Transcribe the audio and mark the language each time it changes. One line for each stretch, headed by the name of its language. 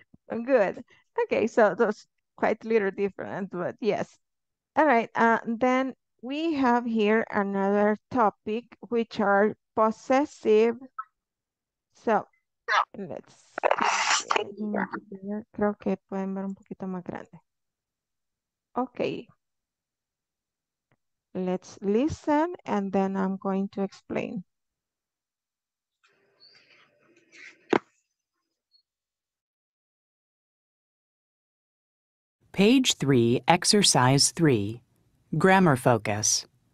English: Good. Okay, so those quite a little different, but yes. All right, then we have here another topic, which are possessive. So, let's see.
Spanish: Creo que pueden ver un poquito más grande.
English: Okay. Let's listen, and then I'm going to explain. Page 3, Exercise 3, Grammar Focus.